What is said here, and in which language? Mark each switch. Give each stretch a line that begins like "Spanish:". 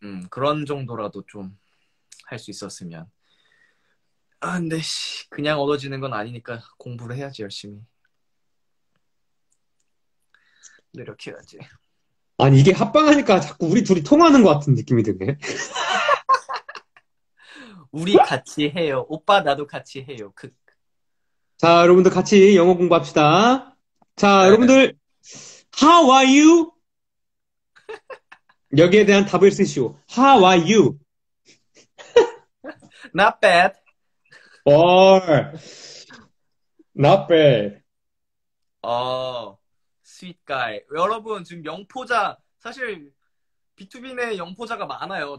Korean: 그런 정도라도 좀 할 수 있었으면. 아 근데 씨 그냥 얻어지는 건 아니니까 공부를 해야지 열심히 노력해야지. 아니 이게 합방하니까 자꾸 우리 둘이 통하는 것 같은 느낌이 드네. 우리 같이 해요. 오빠 나도 같이 해요. 그. 자 여러분들 같이 영어 공부합시다. 자 네. 여러분들
English: How are you?
Korean: 여기에 대한 답을 쓰시오.
English: How are you? Not bad. Or not bad. 어, sweet guy.
Korean: 여러분 지금 영포자 사실 B2B 내 영포자가 많아요.